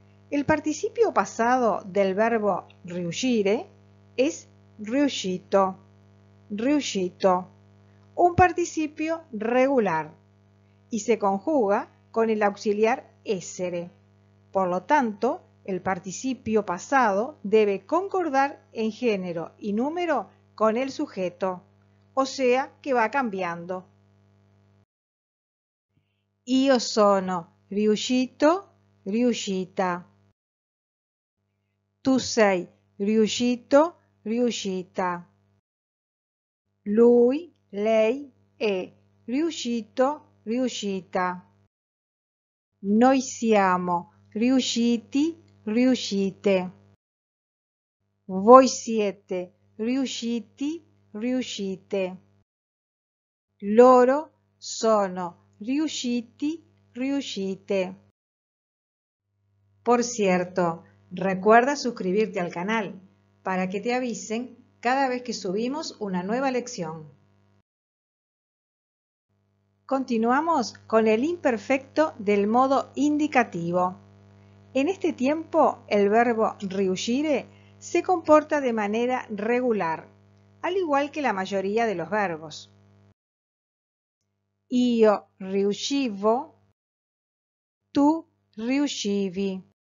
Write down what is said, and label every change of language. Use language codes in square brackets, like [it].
[es] El participio pasado del verbo riuscire es riuscito, riuscito, un participio regular y se conjuga con el auxiliar essere. Por lo tanto, el participio pasado debe concordar en género y número con el sujeto, o sea que va cambiando. [it] Io sono riuscito, riuscita. Tu sei riuscito, riuscita. Lui, lei è riuscito, riuscita. Noi siamo riusciti, riuscite. Voi siete riusciti, riuscite. Loro sono riusciti, riuscite. [es] Por cierto, recuerda suscribirte al canal para que te avisen cada vez que subimos una nueva lección. Continuamos con el imperfecto del modo indicativo. En este tiempo, el verbo riuscire se comporta de manera regular, al igual que la mayoría de los verbos. [it] Io riuscivo, tu riuscivi.